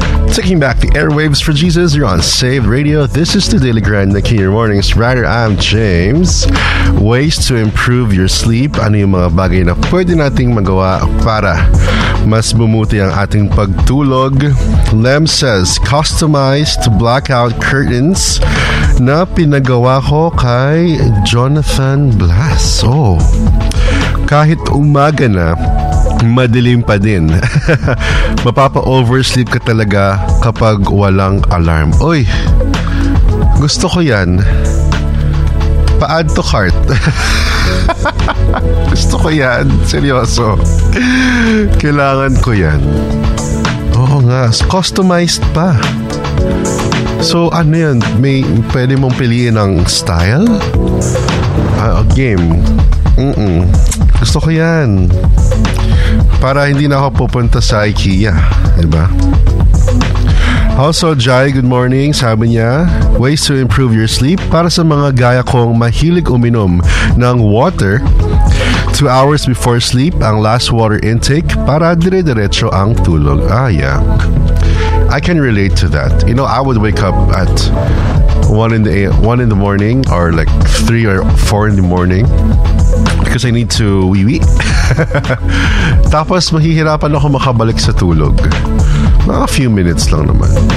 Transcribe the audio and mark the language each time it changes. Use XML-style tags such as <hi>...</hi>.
<en>Taking back the airwaves for Jesus, you're on Saved Radio. This is the Daily Grind, making your mornings brighter. I'm James. Ways to improve your sleep.</en> <tl>Ano yung mga bagay na pwede nating magawa para mas bumuti ang ating pagtulog?</tl> <en>Lem says, customized blackout curtains</en> <tl>na pinagawa ko kay</tl> <en>Jonathan Blas.</en> <tl>Oh, kahit umaga na, madilim pa din. Mapapa-oversleep ka talaga kapag walang alarm. Uy, gusto ko yan. Pa-add to cart. Gusto ko yan. Seryoso. Kailangan ko yan. Oo nga. Customized pa. So, ano yan? May, pwede mong piliin ang style? Game. Mm-mm. Gusto ko yan. Para hindi na ako pupunta sa IKEA. Diba?</tl> <en>Also, Jai, good morning.</en> <tl>Sabi niya, ways to improve your sleep. Para sa mga gaya kong mahilig uminom ng water, 2 hours before sleep, ang last water intake, para dire-diretso ang tulog.</tl> <en>Ah, yeah. I can relate to that. You know, I would wake up at 1 in the morning or like 3 or 4 in the morning because I need to wee-wee.</en> <tl>Tapos mahihirapan ako makabalik sa tulog.</tl> <en>A few minutes</en> <tl>lang naman.</tl>